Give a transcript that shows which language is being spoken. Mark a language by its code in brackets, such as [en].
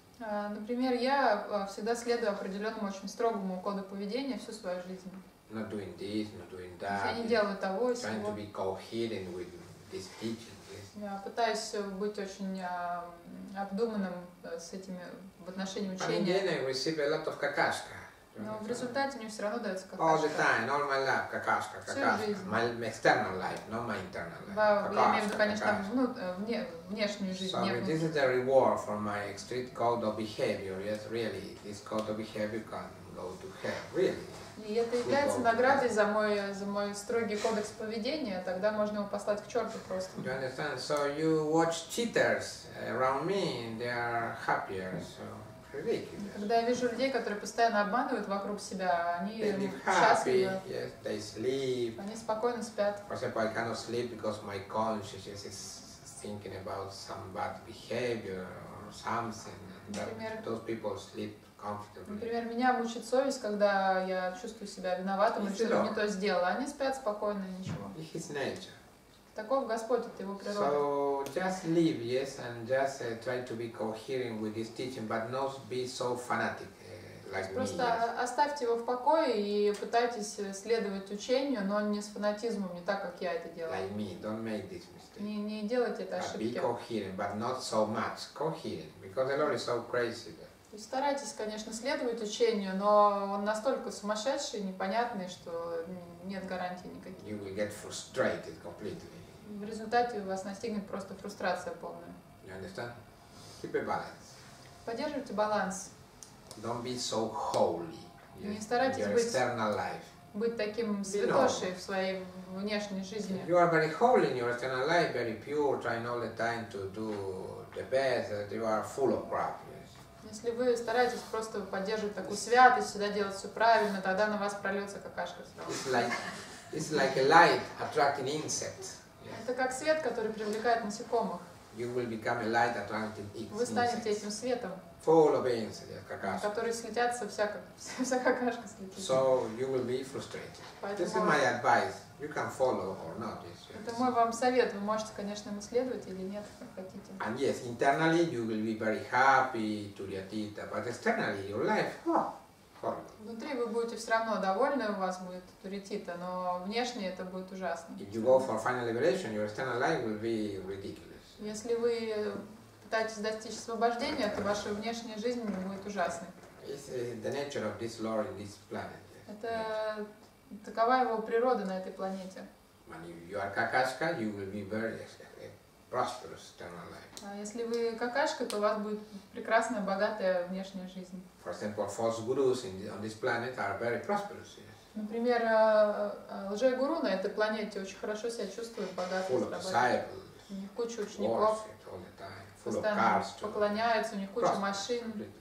[ru] Например, я всегда следую определенному очень строгому коду поведения всю свою жизнь. [en] Not doing this, not doing that. [ru] Я не делаю того и сего. [en] Trying to be coherent with this teaching. Yes. [ru] Я пытаюсь быть очень обдуманным с этими в отношении учения. [en] But in the end, I receive a lot of [ru] какашка. Но в результате мне все равно дается какашка. [en] All the time, all my life, [ru] какашка, какашка. [en] My external life, not my internal life. [ru] Какашка, я имею в виду, конечно, внешнюю жизнь. [en] So this is the reward for my strict code of behavior. Yes, really, this code of behavior can go to hell, really. [ru] И это является наградой за мой строгий кодекс поведения. Тогда можно его послать к черту просто. [en] You understand? So you watch cheaters around me, and they are happier. So. [ru] Когда я вижу людей, которые постоянно обманывают вокруг себя, они счастливы, они спокойно спят. [en] For example, I cannot sleep because my conscience is thinking about some bad behavior or something. [ru] Например, [en] those people sleep comfortably. [ru] Например, меня мучит совесть, когда я чувствую себя виноватым и что-то не то сделал, а они спят спокойно, ничего. [en] It's nature. [ru] Таков Господь, это его природа. [en] So just live, yes, and just try to be coherent with this teaching, but not be so fanatic like [ru] просто [en] me. [ru] Просто оставьте его в покое и пытайтесь следовать учению, но не с фанатизмом, не так, как я это делаю. [en] Like me, don't make this mistake. [ru] Не делайте это ошибки. [en] Be coherent, but not so much coherent, because the Lord is so crazy. [ru] Старайтесь, конечно, следовать учению, но он настолько сумасшедший, непонятный, что нет гарантии никаких. [en] You will get frustrated completely. [ru] В результате у вас настигнет просто фрустрация полная. [en] You understand? Keep a balance. [ru] Поддерживайте баланс. [en] Don't be so holy. [ru] Не старайтесь [en] your external life. [ru] Быть таким святошей в своей внешней жизни. [en] You are very holy in your external life, very pure, trying all the time to do the best, that you are full of crap. [ru] Если вы стараетесь просто поддерживать такую святость, всегда делать все правильно, тогда на вас прольется какашка сразу. [en] It's like a light attracting insects. Yes. [ru] Это как свет, который привлекает насекомых. [en] You will become a light attracting insects. [ru] Вы станете этим светом. [en] Full of insects, yes, [ru] какашка. Которые слетятся, вся какашка слетит. [en] So you will be frustrated. [ru] Поэтому [en] this is my advice. You can follow or not. Yes, yes. [ru] Это мой вам совет. Вы можете, конечно, им следовать или нет, как хотите. [en] And yes, internally you will be very happy, turiatita, but externally your life, horrible. [ru] Внутри вы будете все равно довольны, у вас будет туриатита, но внешне это будет ужасно. [en] If you go for final liberation, your external life will be ridiculous. [ru] Если вы пытаетесь достичь освобождения, то ваша внешняя жизнь будет ужасной. [en] It's the nature of this law in this planet. [ru] Это такова его природа на этой планете. [en] When you are [ru] какашка, [en] you will be very prosperous eternal life. [ru] А если вы какашка, то у вас будет прекрасная, богатая внешняя жизнь. [en] For example, false gurus on this planet are very prosperous. Yes. [ru] Например, лжегуру на этой планете очень хорошо себя чувствует, богатый. [en] Full of disciples. [ru] У них куча учеников. [en] All the time. Full of cars. [ru] Поклоняются, у них куча машин.